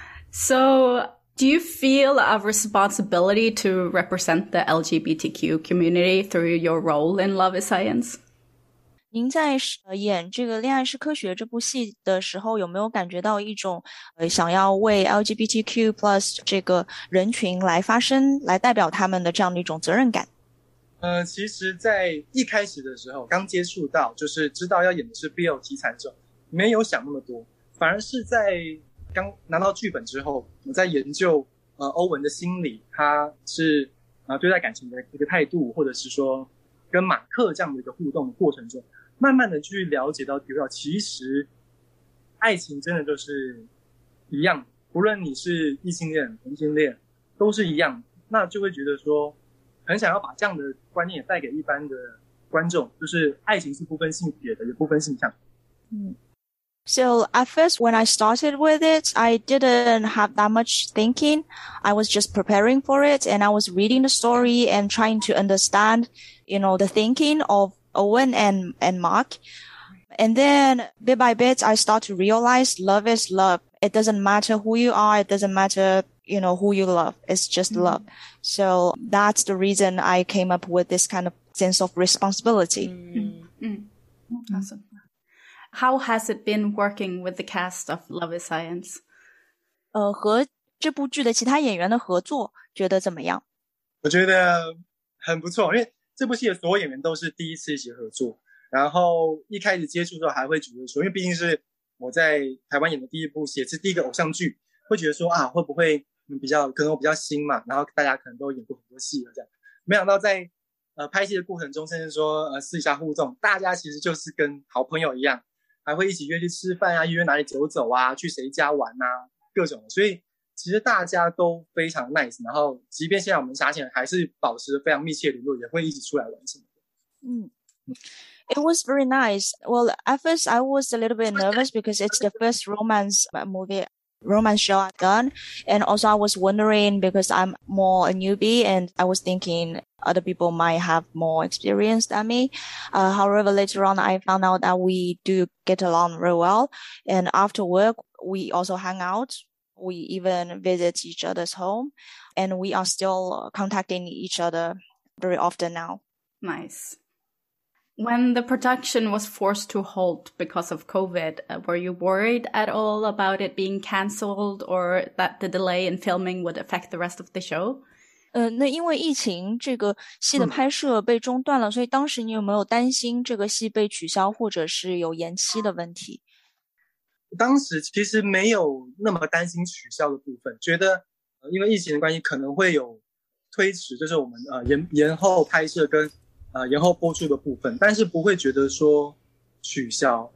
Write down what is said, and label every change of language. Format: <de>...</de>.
<en>So do you feel a responsibility to represent the LGBTQ community through your role in Love is Science?</en> <zh>您在演这个恋爱是科学这部戏的时候有没有感觉到一种想要为 LGBTQ plus 这个人群来发声来代表他们的这样的一种责任感？其实在一开始的时候刚接触到就是知道要演的是 BL 题材者没有想那么多，反而是在刚拿到剧本之后我在研究欧文的心理，他是对待感情的一个态度，或者是说跟马克这样的一个互动的过程中，慢慢的去了解到，比如说其实爱情真的就是一样，不论你是异性恋同性恋都是一样，那就会觉得说很想要把这样的观念带给一般的观众，就是爱情是不分性别的，也不分性向。</zh> <en>So at first when I started with it, I didn't have that much thinking. I was just preparing for it and I was reading the story and trying to understand, you know, the thinking of Owen and Mark. And then bit by bit, I start to realize love is love. It doesn't matter who you are. It doesn't matter, you know, who you love. It's just mm-hmm. love. So that's the reason I came up with this kind of sense of responsibility. Mm-hmm. Awesome. How has it been working with the cast of Love is Science?</en> <zh>和这部剧的其他演员的合作觉得怎么样？我觉得很不错，因为这部戏的所有演员都是第一次一起合作，然后一开始接触之后还会觉得说，因为毕竟是我在台湾演的第一部戏，也是第一个偶像剧，会觉得说啊，会不会比较可能我比较新嘛，然后大家可能都演过很多戏了这样，没想到在拍戏的过程中，甚至说私下互动，大家其实就是跟好朋友一样，还会一起约去吃饭啊，约哪里走走啊，去谁家玩啊，各种的。所以其实大家都非常 nice， 然后即便现在我们下线还是保持非常密切的联络，也会一起出来玩什么的。</zh> <en>嗯。It was very nice. Well, at first I was a little bit nervous because it's the first romance show I've done. And also I was wondering because I'm more a newbie and I was thinking other people might have more experience than me. However, later on I found out that we do get along real well. And after work, we also hang out. We even visit each other's home and we are still contacting each other very often now. Nice. When the production was forced to halt because of COVID, were you worried at all about it being cancelled or that the delay in filming would affect the rest of the show?</en> <zh>那因为疫情，这个戏的拍摄被中断了，所以当时你有没有担心这个戏被取消或者是有延期的问题？当时其实没有那么担心取消的部分，觉得因为疫情的关系可能会有推迟，就是我们延后拍摄跟然后播出的部分，但是不会觉得说取消。</zh>